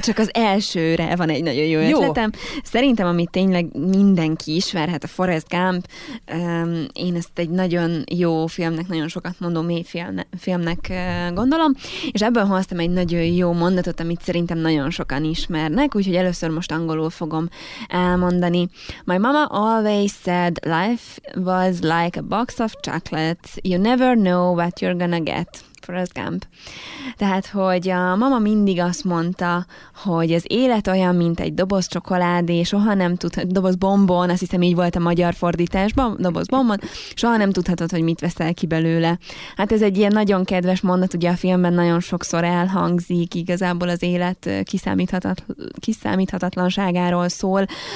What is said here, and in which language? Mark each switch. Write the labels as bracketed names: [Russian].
[Hungarian] Csak az elsőre van egy nagyon jó ötletem. Szerintem, amit tényleg mindenki ismerhet, a Forrest Gump, én ezt egy nagyon jó filmnek, nagyon sokat mondom, mély filmnek gondolom, és ebből hoztam egy nagyon jó mondatot, amit szerintem nagyon sokan ismernek, úgyhogy először most angolul fogom elmondani. [English] My mama always said life was like a box of chocolates. You never know what you're gonna get. Forrest Gump. [Hungarian] Tehát, hogy a mama mindig azt mondta, hogy az élet olyan, mint egy doboz csokoládé, soha nem tudhat, doboz bombon, azt hiszem így volt a magyar fordításban, doboz bombon, soha nem tudhatod, hogy mit veszel ki belőle. Hát ez egy ilyen nagyon kedves mondat, ugye a filmben nagyon sokszor elhangzik, igazából az élet kiszámíthatatlanságáról szól.